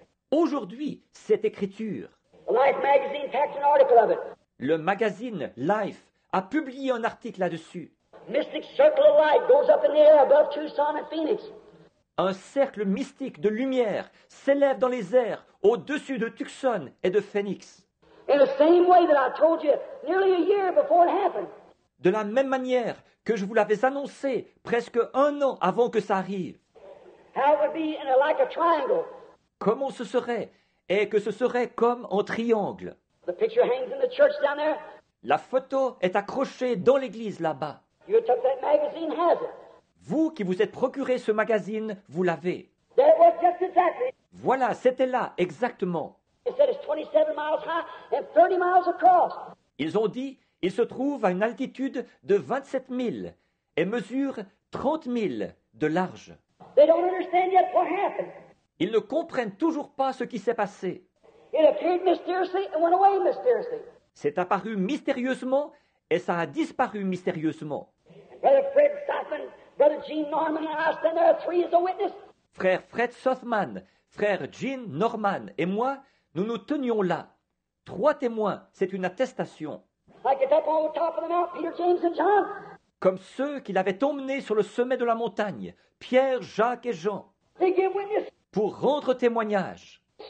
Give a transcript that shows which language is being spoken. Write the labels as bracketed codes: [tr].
[fr] Aujourd'hui, cette écriture. [en] Life magazine packed an article of it. [fr] Le magazine Life a publié un article là-dessus. [en] Mystic circle of light goes up in the air above Tucson and Phoenix. [fr] Un cercle mystique de lumière s'élève dans les airs au-dessus de Tucson et de Phoenix. [en] In the same way that I told you nearly a year before it happened. [fr] De la même manière que je vous l'avais annoncé presque un an avant que ça arrive. [en] How it would be in a, like a triangle. [fr] Comment ce serait, et que ce serait comme en triangle. [en] The picture hangs in the church down there. [fr] La photo est accrochée dans l'église là-bas. [en] You took that magazine, has it? [fr] Vous qui vous êtes procuré ce magazine, vous l'avez. [en] That was just exactly. [fr] Voilà, c'était là, exactement. [en] It said it's 27 miles high and 30 miles across. [fr] Ils ont dit, il se trouve à une altitude de 27 milles et mesure 30 milles de large. [en] They don't understand yet what happened. [fr] Ils ne comprennent toujours pas ce qui s'est passé. [en] It appeared mysteriously and went away mysteriously. [fr] C'est apparu mystérieusement et ça a disparu mystérieusement. [en] Brother Fred Sothman, Brother Gene Norman and I stand there three as a witness. [fr] Frère Fred Sothman, frère Gene Norman et moi, nous nous tenions là. Trois témoins, c'est une attestation. [en] Like it up on the top of the mountain, Peter, James and John. [fr] comme ceux qu'il avait emmenés sur le sommet de la montagne, Pierre, Jacques et Jean, pour rendre témoignage.